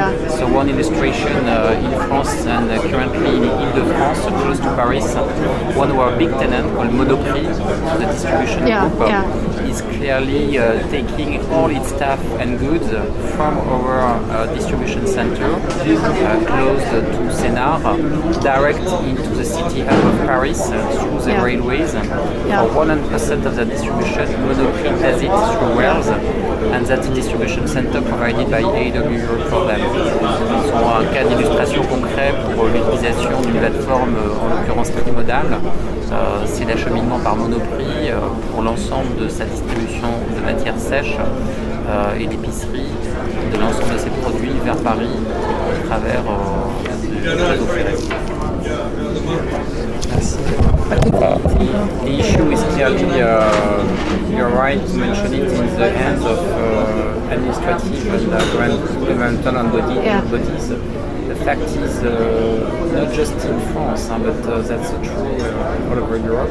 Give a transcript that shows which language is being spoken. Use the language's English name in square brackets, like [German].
[English] So one illustration in France and currently in Ile-de-France, close to Paris, one of our big tenants called Monoprix, the distribution group, is clearly taking all its staff and goods from our distribution center, close to Sénart, direct into the city hub of Paris through the railways. Yeah. 100% of the distribution, Monoprix does it through rails, and that's a distribution center provided by AW for them. [French] So, un cas d'illustration concret pour l'utilisation d'une plateforme, en l'occurrence multimodale, c'est l'acheminement par Monoprix pour l'ensemble de sa distribution de matières sèches et d'épicerie de l'ensemble de ses produits vers Paris à travers le réseau ferré. [English] The issue is clearly, you're right to mention it, in the hands of administrative and governmental bodies. The fact is, not just in France, but that's true all over Europe.